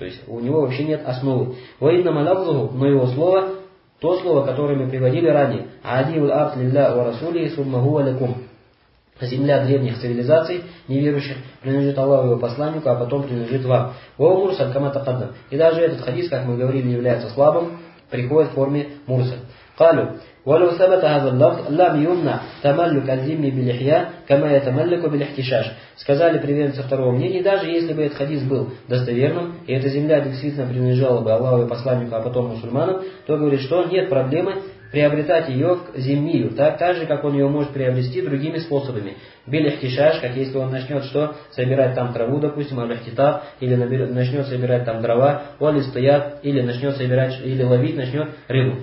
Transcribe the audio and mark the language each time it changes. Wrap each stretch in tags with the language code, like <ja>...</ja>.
<ru>То есть у него вообще нет основы.</ru> <ar>«Ва инна малавзу»,</ar> <ru>но его слово, то слово, которое мы приводили ранее,</ru> <ar>«Адивуль арт лилля ва расулии сумма хуа лакум»,</ar> <ru>земля древних цивилизаций, неверующих, принадлежит Аллаху и его посланнику, а потом принадлежит вам.</ru> <ar>«Ва мурсаль кама тақаддам»,</ar> <ru>и даже этот хадис, как мы говорили, является слабым, приходит в форме мурсаль.</ru> <ar>قالوا ولو ثبت هذا اللفظ لم يمنع تملك الذمي بالإحياء كما يتملك بالاحتشاش.</ar> <ru>Сказали приверженцы второго мнения, даже если бы этот хадис был достоверным, и эта земля действительно принадлежала бы Аллаху и посланнику, а потом мусульманам, то говорит, что нет проблемы приобретать ее к земью, так же, как он ее может приобрести другими способами. Билихтишаш, как если он начнет что? Собирать там траву, допустим, алихтитаб, или начнет собирать там дрова, олистаят, или начнет собирать, или ловить начнет рыбу.</ru>